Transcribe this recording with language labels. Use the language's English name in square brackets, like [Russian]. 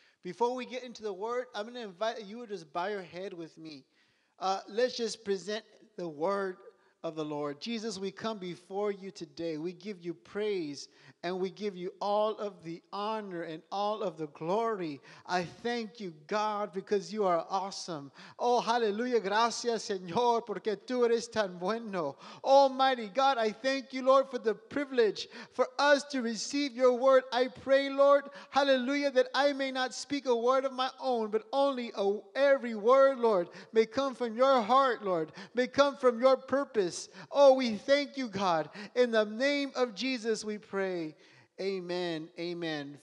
[English] Before we get into the word, I'm going to invite you to just bow your head with me. Let's just present the word of the Lord. Jesus, we come before you today. We give you praise and we give you all of the honor and all of the glory. I thank you, God, because you are awesome. [Spanish] Oh, hallelujah, gracias, Señor, porque tú eres tan bueno. [English] Almighty God, I thank you, Lord, for the privilege for us to receive your word. I pray, Lord, hallelujah, that I may not speak a word of my own, but only every word, Lord, may come from your heart, Lord, may come from your purpose. Oh, we thank you, God. In the name of Jesus, we pray. Amen. Amen.